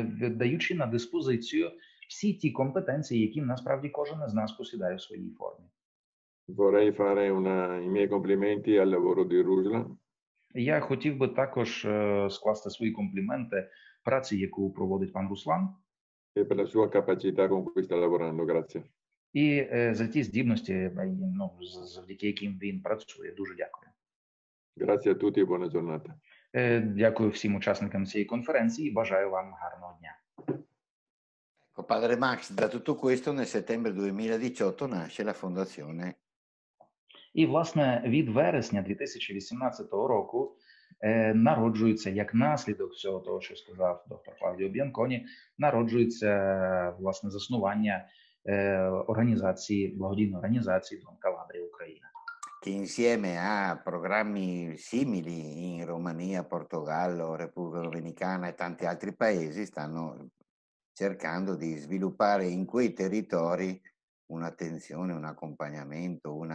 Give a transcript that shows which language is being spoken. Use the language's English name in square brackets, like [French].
[Ukrainian] Даючи на диспозицію всі ті компетенції, які насправді кожен із нас посідає в своїй формі. [Italian] Vorrei fare i miei complimenti al lavoro di Ruslan. [Ukrainian] Я хотів би також скласти свої компліменти праці, яку проводить пан Руслан. [Italian] E per la sua capacità con cui sta lavorando, grazie. [Ukrainian] І за ті здібності, завдяки яким він працює, дуже дякую. [Italian] Grazie a tutti e buona giornata. [Ukrainian] Дякую всім учасникам цієї конференції і бажаю вам гарного дня. [Italian] Ecco, padre Max, da tutto questo nel settembre 2018 nasce la fondazione. [Ukrainian] І, власне, від вересня 2018 року народжується, як наслідок всього того, що сказав доктор Клавдіо Біанконі, народжується, власне, заснування організації, благодійної організації «Дон Калабрі Україна». [Italian] Che insieme a programmi simili in Romania, Portogallo, Repubblica Dominicana e tanti altri paesi stanno cercando di sviluppare in quei territori un'attenzione, un accompagnamento,